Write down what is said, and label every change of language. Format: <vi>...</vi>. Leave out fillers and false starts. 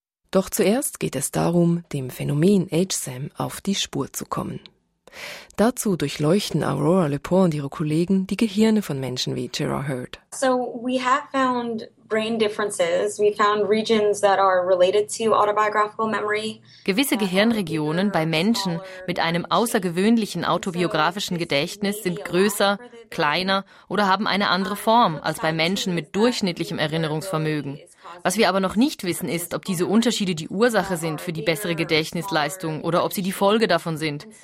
<de>Doch zuerst geht es darum, dem Phänomen HSAM auf die Spur zu kommen. Dazu durchleuchten Aurora Lepore und ihre Kollegen die Gehirne von Menschen wie Gerard Hurd.</de> <en>So we have found brain differences. We found regions that are related to autobiographical memory.</en> <de>Gewisse Gehirnregionen bei Menschen mit einem außergewöhnlichen autobiografischen Gedächtnis sind größer, kleiner oder haben eine andere Form als bei Menschen mit durchschnittlichem Erinnerungsvermögen. Was wir aber noch nicht wissen, ist, ob diese Unterschiede die Ursache sind für die bessere Gedächtnisleistung oder ob sie die Folge davon sind.</de>